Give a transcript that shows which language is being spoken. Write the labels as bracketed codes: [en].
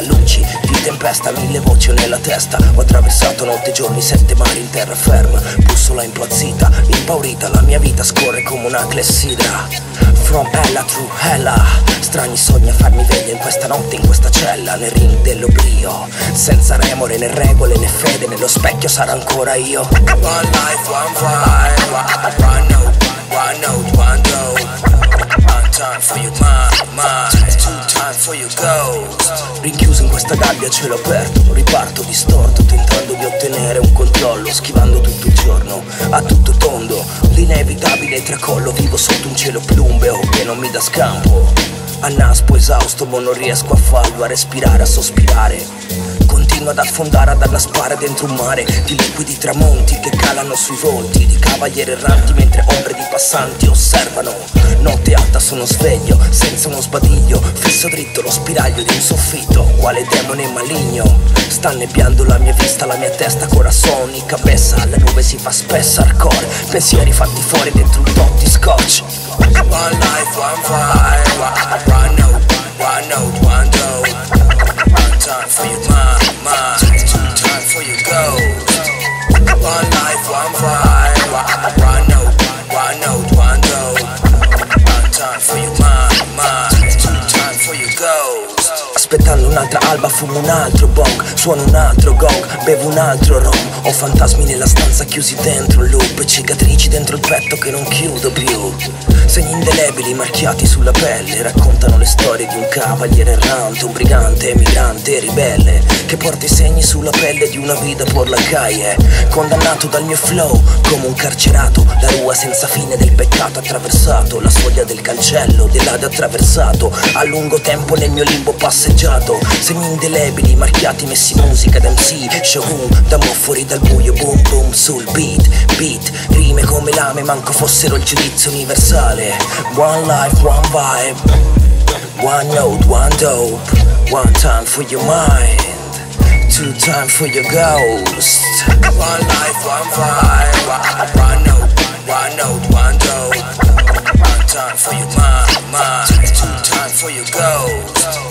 [it] Luci di tempesta, mille voci nella testa. Ho attraversato notte, giorni, sette mari in terraferma. Bussola impazzita, impaurita, la mia vita scorre come una clessidra. [en] From Ella to Ella, [it] strani sogni a farmi veglia in questa notte, in questa cella, nel ring dell'oblio. Senza remore, né regole, né fede, nello specchio sarò ancora io. [en] One life, one fight, one note, one note, one dose. One time for your mind, two time for your ghost. [it] Rinchiuso in questa gabbia, cielo aperto, riparto distorto, tentando di ottenere un controllo, schivando tutto il giorno, a tutto tondo. L'inevitabile tracollo, vivo sotto un cielo plumbeo che non mi dà scampo. A naspo, esausto, ma non riesco a farlo, a respirare, a sospirare. Continuo ad affondare, ad annaspare dentro un mare di liquidi tramonti che calano sui volti di cavalieri erranti, mentre ombre di passanti osservano. Notte alta, sono sveglio, senza uno sbadiglio, fisso dritto lo spiraglio di un soffitto. Quale demone maligno sta nebbiando la mia vista, la mia testa, corazonica vessa. La nube si fa spessa, hardcore, pensieri fatti fuori dentro un tot di scotch. [en] One life, one fight, one out, one out, one out. One time for your mind, two time for your ghost. One life, one fight, one out, one out, one out. One time for your mind, two time for your ghost. [it] Aspettando un'altra alba, fumo un altro bong, suono un altro gong, bevo un altro rum. Ho fantasmi nella stanza chiusi dentro un loop, cicatrici dentro il petto che non chiudo più. Segni indelebili marchiati sulla pelle raccontano le storie di un cavaliere errante, un brigante, emigrante, ribelle, che porta i segni sulla pelle di una vita [es] por la calle. [it] Condannato dal mio flow come un carcerato, la rua senza fine del peccato attraversato, la soglia del cancello dell'ade attraversato. A lungo tempo nel mio limbo passeggiato, segni indelebili marchiati, messi musica da MC Shogun, da mo fuori dal buio, boom boom sul beat, beat, rime come lame, manco fossero il giudizio universale. [en] One life, one vibe, one note, one dope. One time for your mind, two time for your ghost. One life, one vibe, one note, one dope. One time for your mind, mind, two time for your ghost.